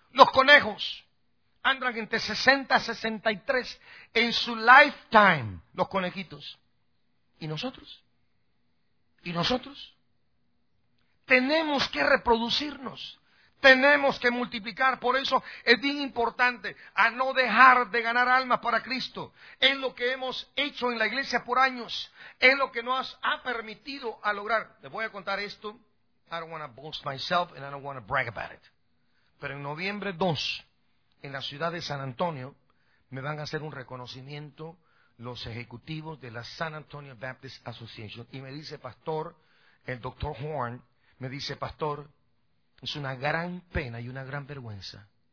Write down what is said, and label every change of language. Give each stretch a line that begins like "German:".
Spanish: Los conejos andan entre 60 a 63 en su lifetime, los conejitos. ¿Y nosotros? ¿Y nosotros? Tenemos que reproducirnos, tenemos que multiplicar, por eso es bien importante a no dejar de ganar almas para Cristo. Es lo que hemos hecho en la iglesia por años, es lo que nos ha permitido a lograr. Les voy a contar esto,
English: I don't want to boast myself and I don't want to brag about it.
Spanish: Pero en noviembre 2, en la ciudad de San Antonio, me van a hacer un reconocimiento los ejecutivos de la San Antonio Baptist Association. Y me dice, pastor, el doctor Horn, me dice: pastor, es una gran pena y una gran vergüenza.